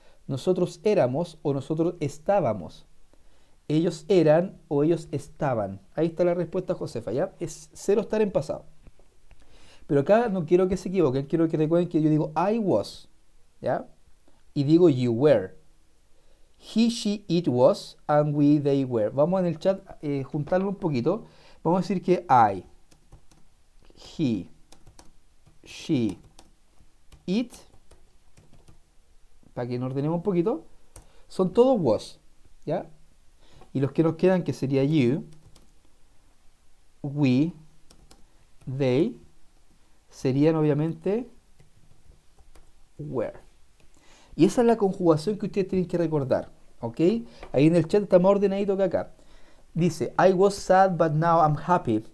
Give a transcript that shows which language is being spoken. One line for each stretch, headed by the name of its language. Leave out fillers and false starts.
Spanish: Nosotros éramos o nosotros estábamos. Ellos eran o ellos estaban. Ahí está la respuesta, Josefa, ¿ya? Es ser o estar en pasado. Pero acá no quiero que se equivoquen, quiero que recuerden que yo digo
English: I was,
Spanish: ¿ya? Y digo
English: you were. He, she, it was, and we, they were.
Spanish: Vamos en el chat juntarlo un poquito. Vamos a decir que I, he, she, it, para que nos ordenemos un poquito, son todos was, ¿ya? Y los que nos quedan, que sería you, we, they, serían obviamente were. Y esa es la conjugación que ustedes tienen que recordar. Okay. Ahí en el chat está más ordenadito que acá. Dice,
English: I was sad, but now I'm happy.